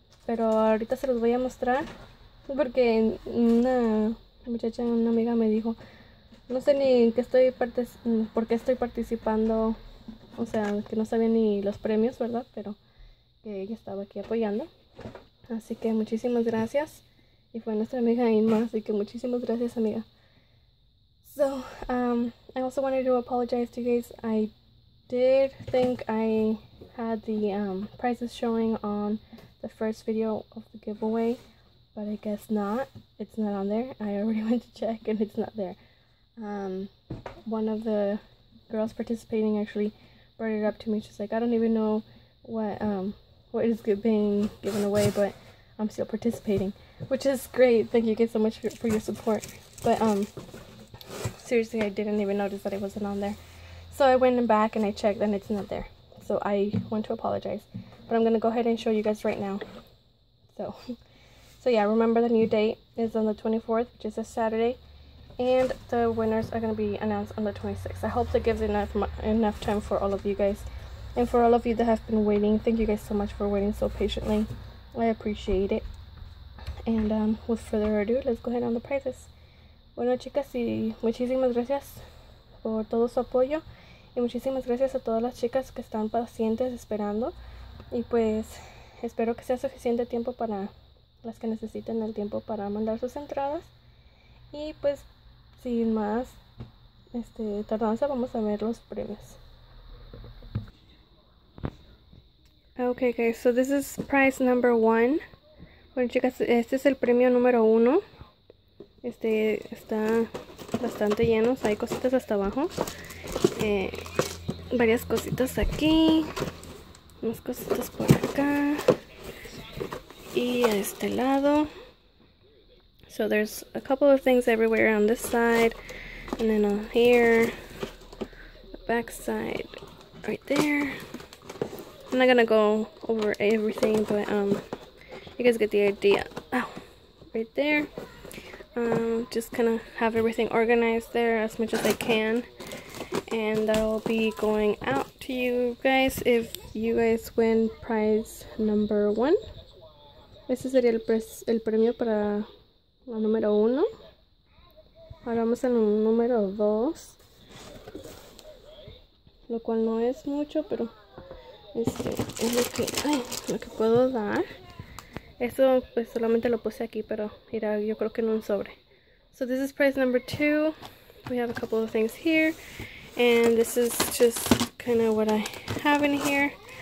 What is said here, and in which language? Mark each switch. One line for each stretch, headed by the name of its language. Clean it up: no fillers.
Spanish: Pero ahorita se los voy a mostrar porque una muchacha, una amiga me dijo, no sé ni por qué estoy participando, o sea, que no sabía ni los premios, ¿verdad? Pero que ella estaba aquí apoyando. Así que muchísimas gracias. Y fue nuestra amiga Inma, así que muchísimas gracias, amiga.
English: So, I also wanted to apologize to you guys. I did think I had the prizes showing on the first video of the giveaway, but I guess not. It's not on there. I already went to check and it's not there. One of the girls participating actually brought it up to me. She's like, I don't even know what is being given away, but I'm still participating, which is great. Thank you guys so much for your support. But seriously, I didn't even notice that it wasn't on there. So I went back and I checked and it's not there. So I want to apologize. But I'm going to go ahead and show you guys right now. So yeah, remember the new date is on the 24th, which is a Saturday. And the winners are going to be announced on the 26th. I hope that gives enough time for all of you guys. And for all of you that have been waiting, thank you guys so much for waiting so patiently. I appreciate it. And with further ado, let's go ahead on the prizes.
Spanish: Bueno, chicas, y muchísimas gracias por todo su apoyo. Y muchísimas gracias a todas las chicas que están pacientes esperando. Y pues espero que sea suficiente tiempo para las que necesiten el tiempo para mandar sus entradas. Y pues sin más tardanza, vamos a ver los premios.
English: Okay guys, so this is prize number one.
Spanish: Bueno chicas, este es el premio número uno. Está bastante lleno, o sea, hay cositas hasta abajo. Varias cositas aquí. Unas cositas por acá. Y a este lado.
English: So there's a couple of things everywhere on this side. And then on here. The back side. Right there. I'm not gonna go over everything, but you guys get the idea. Oh, right there. Just kinda have everything organized there as much as I can. And that'll be going out to you guys if you guys win prize number one.
Spanish: Ese sería el premio para la número uno. Ahora vamos al número 2. Lo cual no es mucho, pero este es lo que puedo dar. Esto pues solamente lo puse aquí, pero irá yo creo que en un sobre.
English: So this is prize number 2. We have a couple of things here. And this is just kind of what I have in here.